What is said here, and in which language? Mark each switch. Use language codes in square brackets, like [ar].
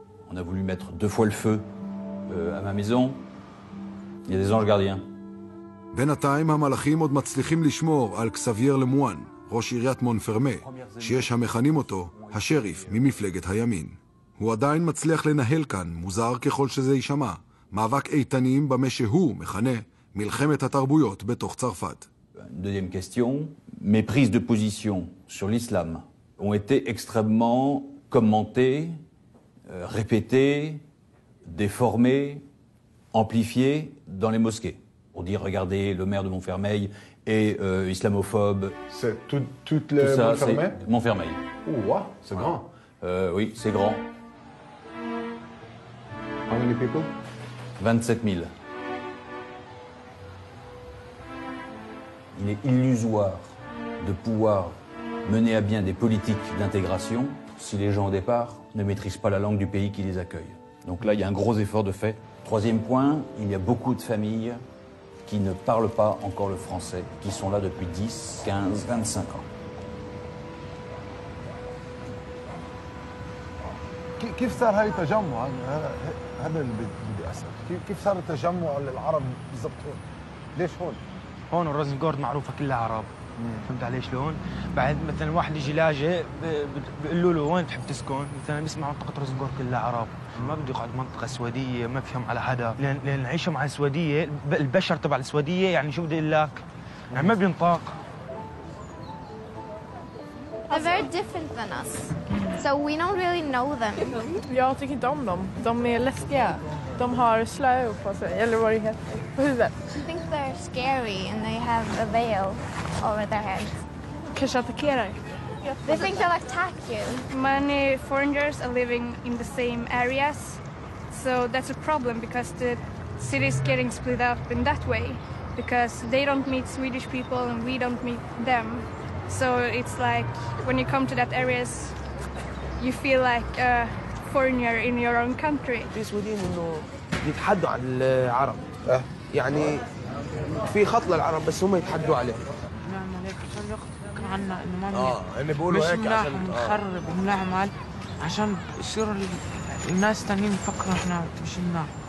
[fr] On a voulu mettre deux fois le feu à ma maison. Il y a des anges gardiens. [he] בינתיים המלאכים עוד מצליחים לשמור על קסאביר למואן, ראש עיריית מונפרמה, שיש המכנים אותו השריף ממפלגת הימין. הוא עדיין מצליח לנהל כאן, מוזר ככל שזה יישמע, מאבק איתנים במה שהוא מכנה מלחמת התרבויות בתוך צרפת. [fr] Deuxième question, mes prises de position sur l'islam ont été extrêmement commentées, répétées, déformées, amplifiées dans les mosquées. On dit regardez le maire de Montfermeil est islamophobe. C'est toute le Montfermeil. Montfermeil. Ouah, wow, c'est grand. Oui, c'est grand. [en] How many people? 27,000. [fr] Il est illusoire de pouvoir mener à bien des politiques d'intégration si les gens au départ ne maîtrisent pas la langue du pays qui les accueille. Donc là, il y a un gros effort de fait. Troisième point, il y a beaucoup de familles qui ne parlent pas encore le français, qui sont là depuis 10, 15, 25 ans. [ar] كيف صار هاي التجمع هذا اللي بدي اسال كيف صار التجمع للعرب بالضبط هون ليش هون هون روزنغورد معروفه كلها عرب فهمت علي شلون بعد مثلا واحد يجي لاجئ بقول له وين تحب تسكن مثلا بسمع منطقه روزنغورد كلها عرب ما بدي اقعد منطقه سويديه ما بفهم على حدا لان عيشه مع السويديه البشر تبع السويديه يعني شو بدي اقول لك يعني ما بينطاق [en] They're very different than us, so we don't really know them. [sv] Jag tycker inte om dem. De är läskiga. De har slöja på sig, eller vad det heter. [en] I think they're scary and they have a veil over their heads. [sv] Kanske attackerar. [en] They think they'll attack you. Many foreigners are living in the same areas, so that's a problem because the city is getting split up in that way because they don't meet Swedish people and we don't meet them. So it's like when you come to that areas, you feel like a foreigner in your own country. [ar] في سويدين إنه يتحدوا على العرب. يعني في خط للعرب بس هم يتحدوا عليه. نعمل هيك عشان يقطع عنا إنه ما. مش منا نخرب ونعمل عشان يصير الناس تانيين يفكروا إحنا مش منا.